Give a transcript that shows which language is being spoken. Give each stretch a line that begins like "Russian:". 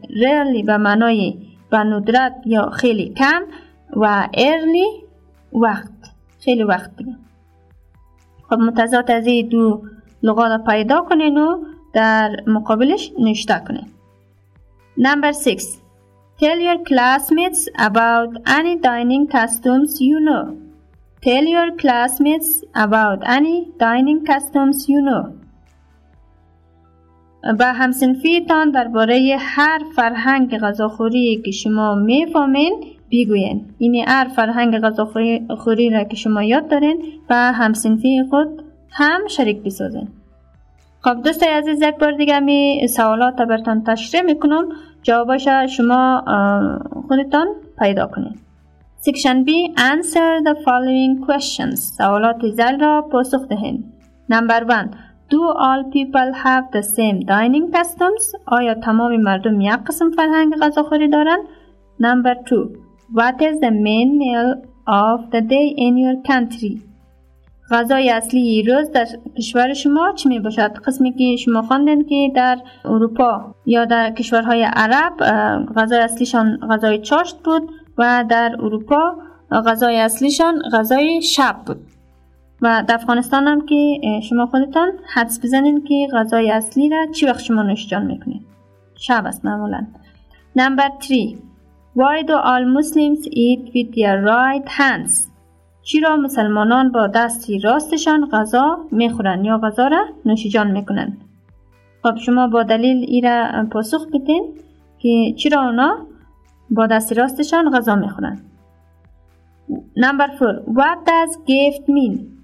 Persian: Rarely به معنای به ندرت یا خیلی کم و early وقت، خیلی وقت دیگه. خب متضاد از این دو لغات را پیدا کنین و در مقابلش نشته کنین.
English: Number 6. Tell your classmates about any dining customs you know. Tell your classmates about any dining customs you know.
Persian: با همسنفیتان درباره هر فرهنگ غذاخوری که شما میفهمین بگوین. اینی هر فرهنگ غذاخوری را که شما یاد دارین با همسنفی خود هم شریک بسازین. خب دوستای عزیز، یک بار دیگه می سوالات برتان تشریح میکنم، جوابش شما خودتان پیدا کنید. سیکشن B.
English: Answer the following questions.
Persian: سوالات زل را پاسخ دهین. نمبر 1.
English: Do all people have the same dining customs?
Persian: آیا تمام مردم یک قسم فرهنگ غذاخوری دارن؟
English: Number 2. What is the main meal of the day in your country?
Persian: غذای اصلی روز در کشور شما چی می باشد؟ قسمی که شما خواندین که در اروپا یا در کشورهای عرب غذای اصلیشان غذای چاشت بود و در اروپا غذای اصلیشان غذای شب بود و در افغانستان هم که شما خودتان حدس بزنین که غذای اصلی را چی وقت شما نوشجان میکنین؟ شب است معمولا.
English: Number 3. Why do all Muslims eat with their right hands?
Persian: چرا مسلمانان با دستی راستشان غذا میخورن یا غذا را نوشیجان میکنن؟ خب شما با دلیل ایرا پاسخ بدین که چرا اونا با دستی راستشان غذا میخورن. نمبر 4.
English: What does gift mean?